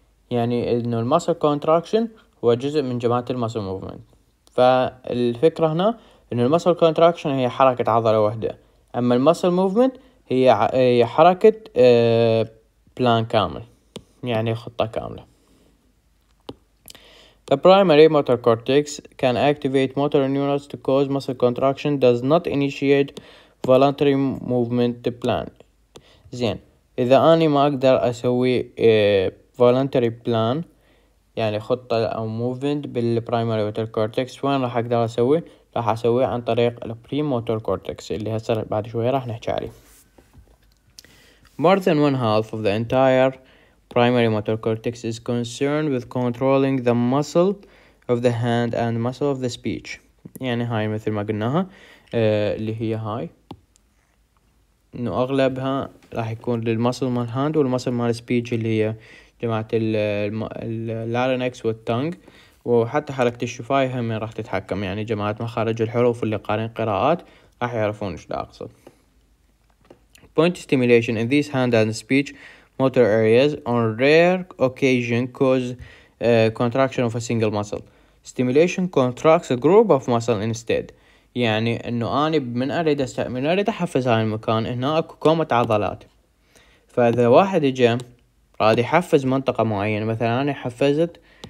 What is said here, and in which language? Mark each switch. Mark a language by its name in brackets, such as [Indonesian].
[Arabic] يعني انه muscle contraction هو جزء من جماعة muscle movement. فالفكرة هنا انه muscle contraction هي حركة عضلة واحدة، اما muscle movement هي حركة بلان كامل، يعني خطة كاملة. [English] The primary motor cortex can activate motor neurons to cause muscle contraction, does not initiate voluntary movement to plan. [Arabic] زين، إذا أنا ما أقدر أسوي voluntary plan يعني خطة أو movement بال primary motor cortex، وين راح أقدر أسوي؟ راح أسوي عن طريق ال premotor cortex اللي هسه بعد شوية راح نحكي عليه. [English] More than one half of the entire primary motor cortex is concerned with controlling the muscle of the hand and muscle of the speech. [Arabic] يعني هاي مثل ما قلناها اللي هي هاي، انه اغلبها راح يكون للمسل مال هاند والمسل مال سبيتش اللي هي جماعة اللارينكس والتونغ، وحتى حركة الشفاي هم راح تتحكم، يعني جماعة مخارج الحروف اللي قارن قراءات راح يعرفون ايش اقصد. [English] Point stimulation in these hand and speech motor areas on rare occasion cause contraction of a single muscle. Stimulation contracts a group of muscle instead. [Arabic] يعني انه انا من اريد من اريد احفز هاي المكان هنا اكو كومة عضلات، فاذا واحد اجى راد يحفز منطقة معينة، مثلا انا حفزت